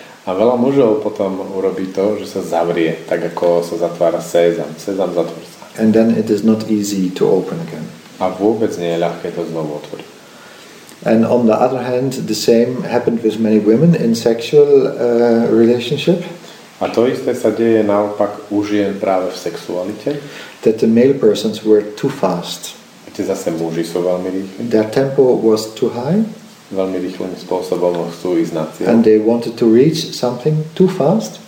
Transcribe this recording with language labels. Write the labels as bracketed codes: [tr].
[sk] A veľa mužov potom urobí to, že sa zavrie, tak ako sa zatvára sesam. Sesam zatvor sa. [en] And then it is not easy to open again. [sk] A vôbec nie je ľahké to znovu otvoriť. [en] And on the other hand, the same happened with many women in sexual relationship. [sk] A to isté sa deje naopak u žien práve v sexualite. [en] That the male persons were too fast. [sk] Kde zase muži sú veľmi rýchli. [en] Their tempo was too high. [sk] Veľmi rýchlym spôsobom chcú ísť na cieľ. [en] And they wanted to reach something too fast.